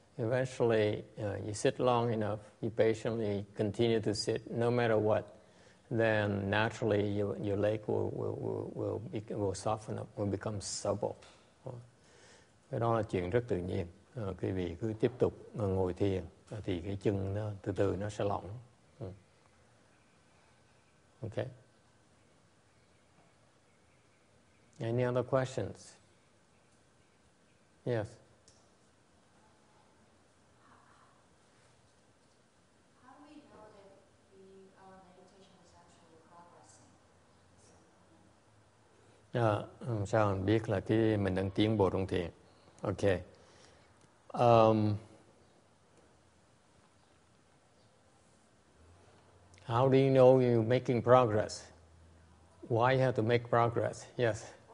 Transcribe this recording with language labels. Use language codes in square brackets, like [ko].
[en] Eventually, you sit long enough, you patiently continue to sit no matter what, then naturally your leg will soften up, will become supple. [vi] Cái đó là chuyện rất tự nhiên. Quý vị cứ tiếp tục ngồi thiền, thì cái chân nó từ từ nó sẽ lỏng. [en] Okay. Any other questions? Yes. How do we know that our meditation is actually progressing? [vi] Sao anh biết là cái mình đang tiến bộ trong thiền? [en] Okay. How do you know you're making progress? Why you have to make progress? Yes.